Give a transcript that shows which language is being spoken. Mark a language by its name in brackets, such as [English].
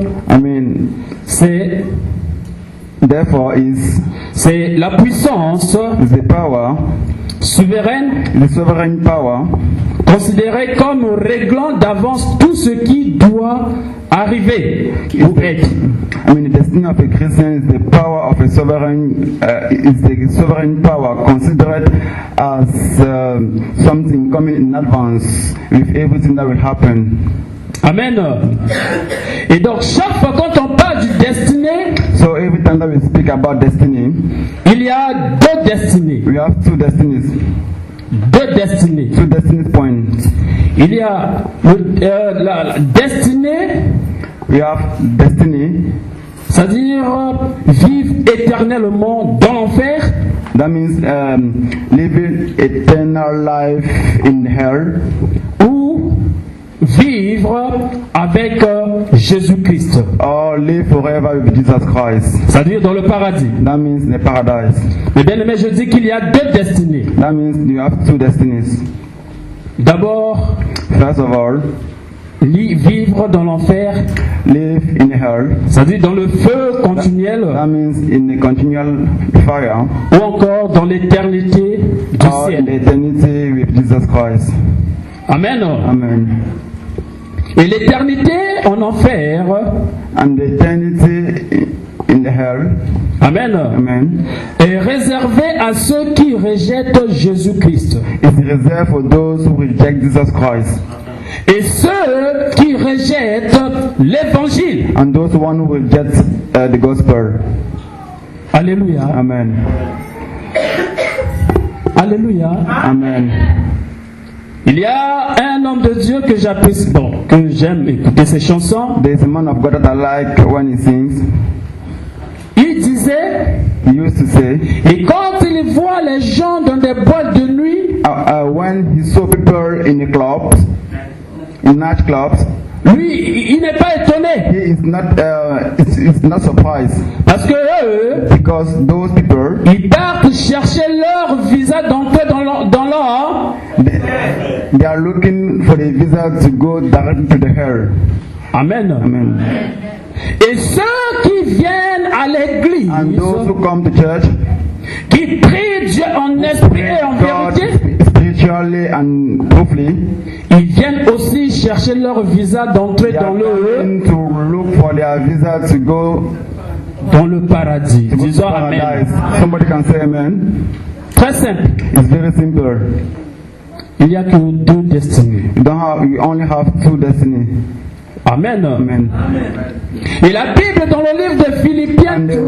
[English] I mean. [French] C'est. [English] Therefore is. [French] C'est la puissance. [English] The power. [French] Souveraine. [English] The sovereign power. [French] Considéré comme réglant d'avance tout ce qui doit arriver ou être. [English] I mean, the destiny of a Christian is the power of a sovereign, is the sovereign power considered as something coming in advance with everything that will happen. [French] Amen. Et donc chaque fois quand on parle du destiné, [English] so every time that we speak about destiny, [French] il y a deux destinées. [English] We have two destinies. [French] Deux destinées. [English] Two destiny points. [French] Il y a la destinée. [English] We have destiny. [French] C'est-à-dire vivre éternellement dans l'enfer. [English] That means living eternal life in hell. [French] Ou vivre avec Jésus-Christ. [English] Or live forever with Jesus Christ. [French] C'est-à-dire dans le paradis. [English] That means the paradise. [French] Mais bien aimé, je dis qu'il y a deux destinées. [English] That means you have two destinies. [French] D'abord, [English] first of all, [French] vivre dans l'enfer. [English] Live in hell. [French] C'est-à-dire dans le feu continuel. [English] That means in a continual fire. [French] Ou encore dans l'éternité du [English] or [French] ciel. [English] Or eternity with Jesus Christ. [French] Amen. [English] Amen. [French] Et l'éternité en enfer. [English] And eternity in the hell. [French] Amen. [English] Amen. [French] Est réservée à ceux qui rejettent Jésus-Christ. [English] It's reserved for those who reject Jesus Christ. [French] Et ceux qui rejettent l'Évangile. [English] And those one who reject the gospel. [French] Alléluia. [English] Amen. [French] Alléluia. [English] Amen. [French] Il y a un homme de Dieu que j'apprécie, bon, que j'aime écouter ses chansons. [English] There's a man of God that I like when he sings. [French] Il disait, [English] he used to say, [French] et quand il voit les gens dans des boîtes de nuit, [English] when he saw people in the clubs, in night clubs, [French] lui, il n'est pas étonné. [English] He is not, it's not surprised. [French] Parce que eux, [English] because those people, [French] ils partent chercher leur visa d'entrée dans l'or. [English] They are looking for a visa to go directly to the hell. [French] Amen. [English] Amen. [French] Et ceux qui viennent à l'église, [English] and those who come to church, [French] qui prient Dieu en esprit et en vérité, [English] spiritually and truthfully, [French] ils viennent aussi chercher leur visa d'entrée dans le [English] to look for their visa to go [French] dans le paradis. Disons amen. [English] Somebody can say amen. [French] Très simple. [English] It's very simple. [French] Il n'y a que deux destinées. [English] You only have two destinies. [French] Amen. [English] Amen. Amen. [French] Et la Bible dans le livre de Philippiens